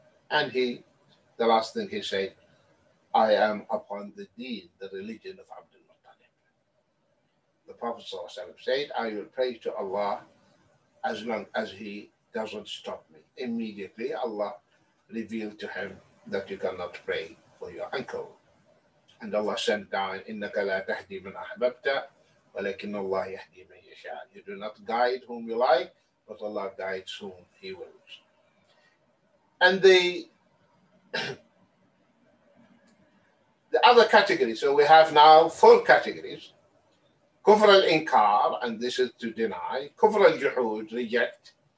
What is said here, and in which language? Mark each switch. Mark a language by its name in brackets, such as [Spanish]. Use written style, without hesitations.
[English] And he, the last thing he said, I am upon the deen, the religion of Abdul Muttalib. The Prophet ﷺ said, I will pray to Allah as long as he doesn't stop me. Immediately Allah revealed to him that you cannot pray for your uncle. And Allah sent down, [Arabic] إِنَّكَ لَا تَهْدِي مَنْ أَحْبَبْتَ وَلَكِنَّ اللَّهِ يَهْدِي مَنْ يَشَاءَ. [English] You do not guide whom you like, but Allah guides whom he wills. And the other category, so we have now four categories. Kufr al-Inkar, and this is to deny. Kufr al-Juhud, reject.